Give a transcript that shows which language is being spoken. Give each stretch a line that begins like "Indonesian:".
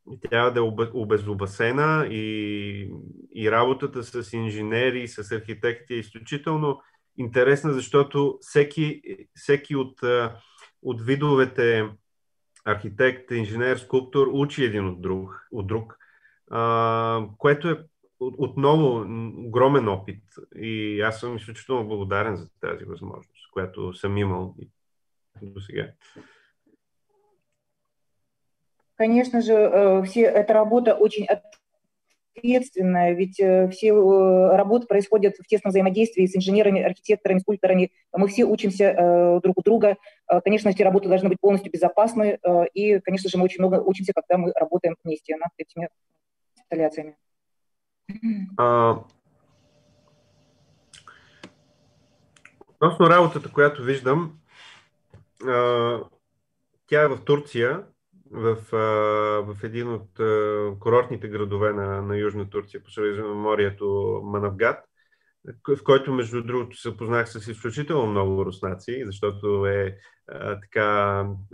Bulgarian: трябва да е обезопасена и работата с инженери, с архитекти е изключително интересна, защото всеки от видовете архитект, инженер, скулптор учи един от друг, което е отново огромен опит и аз съм изключително благодарен за тази възможност, която съм имал
Russian: Конечно же, все эта работа очень ответственная, ведь все работы происходят в тесном взаимодействии с инженерами, архитекторами, скульпторами. Мы все учимся друг у друга. Конечно, эти работы должны быть полностью безопасны. И, конечно же, мы очень много учимся, когда мы работаем вместе над этими инсталляциями.
Bulgarian: Относно работата, която виждам, тя е в Турция, в един от курортните градове на Южна Турция, по Средиземноморието Манавгат, в който, между другото, се познах с изключително много руснаци, защото е така